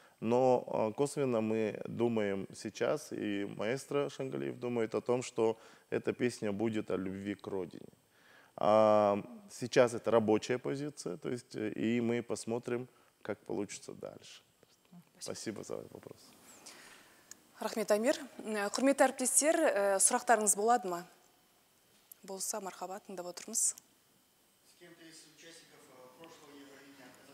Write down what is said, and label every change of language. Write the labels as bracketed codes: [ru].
[ru] Но косвенно мы думаем сейчас, и маэстро Шангалиев думает о том, что эта песня будет о любви к родине. А сейчас это рабочая позиция, то есть, и мы посмотрим, как получится дальше. Спасибо за вопрос. [kk] Рахмет, Амир. Құрметті әріптестер, сұрақтарыңыз болады ма? Болса, мархабат, тыңдап отырмыз. [ru] С кем-то из участников прошлого Евровидения